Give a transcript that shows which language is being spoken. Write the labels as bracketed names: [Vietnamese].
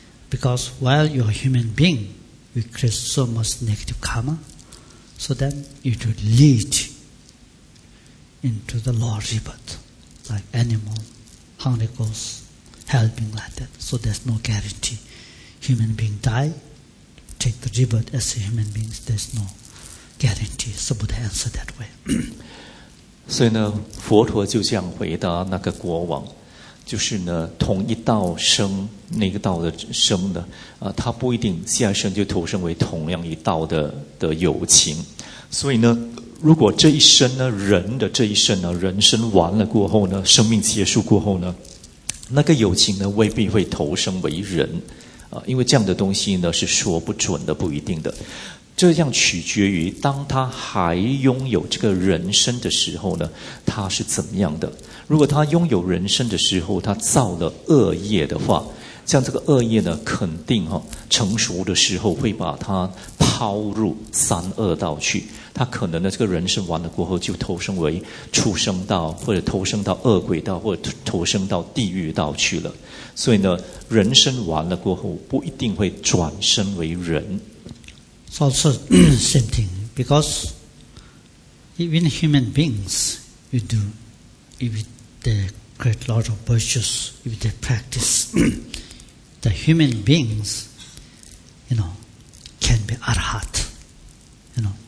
[English] Because while you're a human being, you create so much negative karma, so then it will lead into the lower rebirth, like animal, hungry ghost, hell being like that, so there's no guarantee. Human being die, take the rebirth as a human being, there's no guarantee. So Buddha answered that way. [Chinese] 所以呢，佛陀就这样回答那个国王，就是呢，同一道生那个道的生的啊，他不一定下一生就投生为同样一道的友情。所以呢，如果这一生呢，人的这一生呢，人生完了过后呢，生命结束过后呢，那个友情呢，未必会投生为人。因为这样的东西呢是说不准的，不一定的，这样取决于当他还拥有这个人生的时候呢，他是怎么样的。如果他拥有人生的时候他造了恶业的话，像这个恶业呢肯定成熟的时候会把他抛入三恶道去，他可能呢这个人生完了过后就投生为畜生道，或者投生到恶鬼道，或者投生到地狱道去了。所以呢，人生完了过后不一定会转生为人。 [English] So it's also same thing, because even human beings, you do, if they create a lot of virtues, if they practice, the human beings, you know, can be arhat, you know.